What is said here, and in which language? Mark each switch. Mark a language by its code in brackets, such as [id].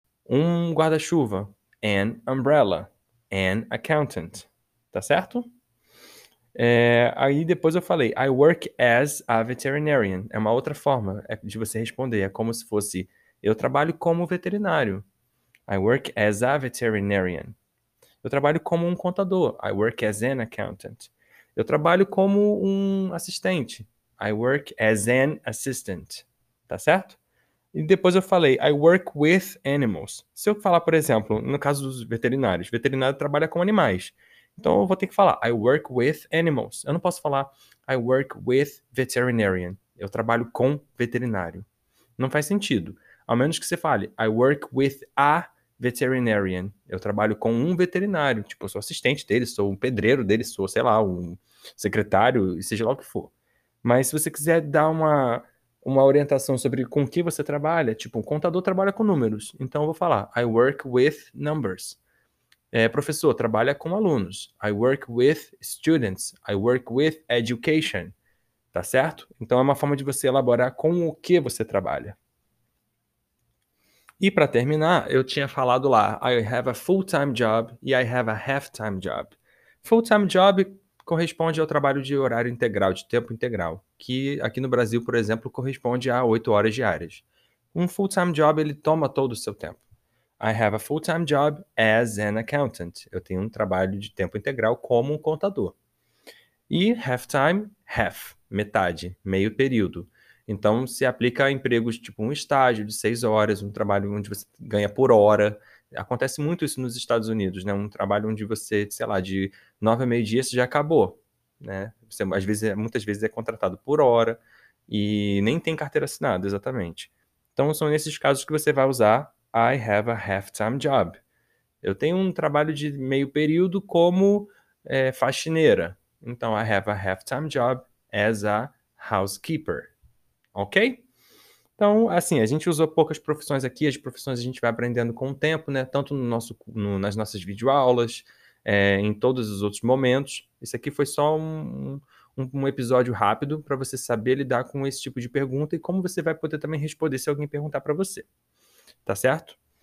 [pt] Um guarda-chuva. An umbrella. An accountant. Tá certo? Aí depois eu falei, I work as a veterinarian. É uma outra forma de você responder. É como se fosse, eu trabalho como veterinário. [en] I work as a veterinarian. [pt] Eu trabalho como um contador. I work as an accountant. Eu trabalho como um assistente. [en] I work as an assistant. Tá certo? E depois eu falei, I work with animals. [pt] Se eu falar, por exemplo, no caso dos veterinários, veterinário trabalha com animais. Então eu vou ter que falar, I work with animals. Eu não posso falar, I work with veterinarian. Eu trabalho com veterinário. Não faz sentido. Ao menos que você fale, I work with a veterinarian. Eu trabalho com um veterinário. Tipo, eu sou assistente dele, sou um pedreiro dele, sou, sei lá, um secretário, seja lá o que for. Mas se você quiser dar uma orientação sobre com que você trabalha, tipo, um contador trabalha com números. Então, eu vou falar, I work with numbers. Professor, trabalha com alunos. [en] I work with students. I work with education. Tá certo? [pt] Então, é uma forma de você elaborar com o que você trabalha. E para terminar, eu tinha falado lá, I have a full-time job e I have a half-time job. Full-time job corresponde ao trabalho de horário integral, de tempo integral, que aqui no Brasil, por exemplo, corresponde a 8 horas diárias. Um full-time job, ele toma todo o seu tempo. [en] I have a full-time job as an accountant. [pt] Eu tenho um trabalho de tempo integral como um contador. E half-time, half, metade, meio período. Então, se aplica a empregos tipo um estágio de 6 horas, um trabalho onde você ganha por hora. Acontece muito isso nos Estados Unidos, né? Um trabalho onde você, sei lá, de 9 a meio-dia, você já acabou, né? Você, às vezes, muitas vezes é contratado por hora e nem tem carteira assinada, exatamente. Então, são nesses casos que você vai usar I have a half-time job. Eu tenho um trabalho de meio período como faxineira. [en] Então, I have a half-time job as a housekeeper. [pt] Ok? Então, assim, a gente usou poucas profissões aqui. As profissões a gente vai aprendendo com o tempo, né? Tanto no nosso, no, nas nossas videoaulas, em todos os outros momentos. Isso aqui foi só um episódio rápido para você saber lidar com esse tipo de pergunta e como você vai poder também responder se alguém perguntar para você. Tá certo?